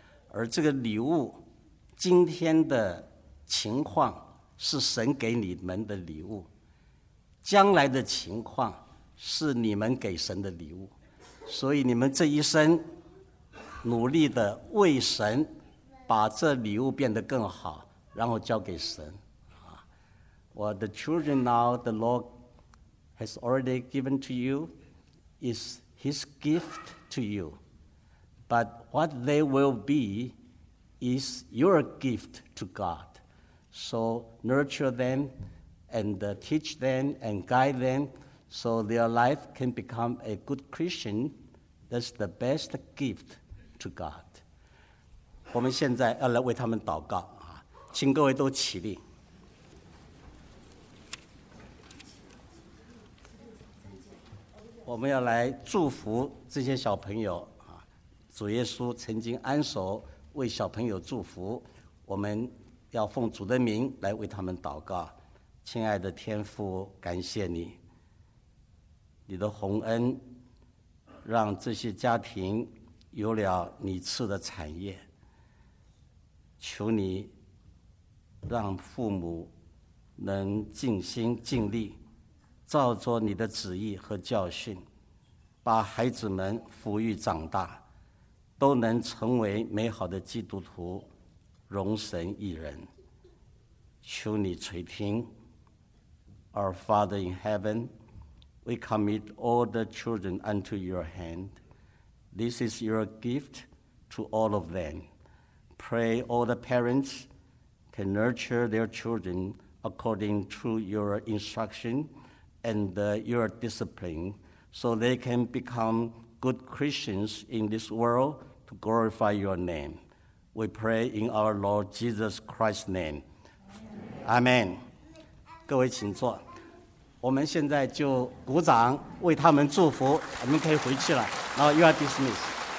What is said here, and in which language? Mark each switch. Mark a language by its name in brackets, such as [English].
[Chinese] 而这个礼物今天的情况是神给你们的礼物，将来的情况是你们给神的礼物，所以你们这一生努力的为神把这礼物变得更好，然后交给神。 [English] Well, the children now the Lord has already given to you is his gift to you. But what they will be is your gift to God. So nurture them and teach them and guide them so their life can become a good Christian. That's the best gift to God. [Chinese] 我们现在要来为他们祷告，请各位都起立。我们要来祝福这些小朋友，主耶稣曾经安守为小朋友祝福，我们要奉主的名来为他们祷告。亲爱的天父，感谢你，你的洪恩让这些家庭有了你赐的产业，求你让父母能尽心尽力照着你的旨意和教训，把孩子们抚育长大，都能成为美好的基督徒，荣神益人。求你垂听。 [English] Our Father in heaven, we commit all the children unto your hand. This is your gift to all of them. Pray all the parents can nurture their children according to your instruction and your discipline, so they can become good Christians in this world to glorify your name. We pray in our Lord Jesus Christ's name. Amen. [Chinese] 各位请坐，我们现在就鼓掌为他们祝福，我们可以回去了。 [English] 然后 you are dismissed.